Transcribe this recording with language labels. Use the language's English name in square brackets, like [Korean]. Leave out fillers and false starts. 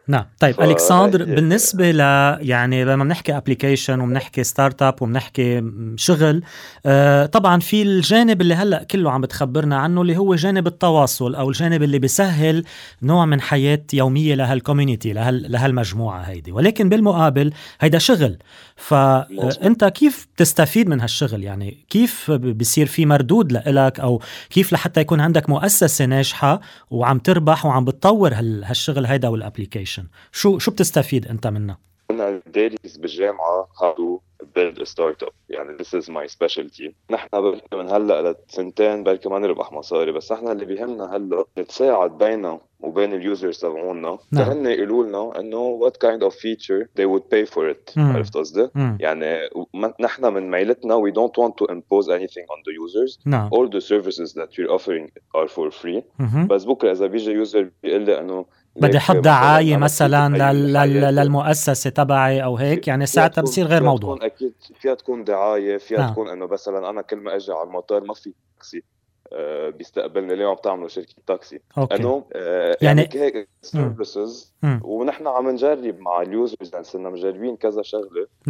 [Arabic] نعم طيب الكسندر، بالنسبه ل يعني لما بنحكي ابليكيشن وبنحكي ستارت اب وبنحكي شغل، طبعا في الجانب اللي هلا كله عم بتخبرنا عنه اللي هو جانب التواصل او الجانب اللي بيسهل نوع من حياه يوميه لهالكوميونتي لهالمجموعه هيدي، ولكن بالمقابل هيدا شغل. فانت كيف تستفيد من هالشغل؟ يعني كيف بصير في مردود لإلك، أو كيف لحتى يكون عندك مؤسسة ناجحة وعم تربح وعم بتطور هالشغل هيدا والأبليكيشن؟ شو بتستفيد أنت منه؟ أنا دارس بالجامعة [English] how to build a startup، يعني this is my specialty. [Arabic] نحن من هلأ لسنتين بلكي ما نربح مصاري، بس احنا اللي بيهمنا هلأ نتساعد بيننا وبين اليوزرز تبعونا، تهني يقولولنا انه [English] what kind of feature they would pay for it. [Arabic] عرفت قصدي؟ يعني نحن من ميلتنا [English] we don't want to impose anything on the users. All the services that you're offering are for free. [Arabic] بس بكرة اذا بيجي يوزر بيقول لي انه بدي حط دعاية مثلاً للمؤسسة تبعي أو هيك، يعني ساعتها بصير غير موضوع. أكيد فيها تكون دعاية، فيها تكون أنه مثلاً أنا كل ما أجي على المطار ما في تاكسي بيستقبلني، ليه عم تعملوا شركة تاكسي؟ أنه يعني هيك سيرفيسز ونحن عم نجرب مع اليوزرز، يعني صرنا مجربين كذا شغلة.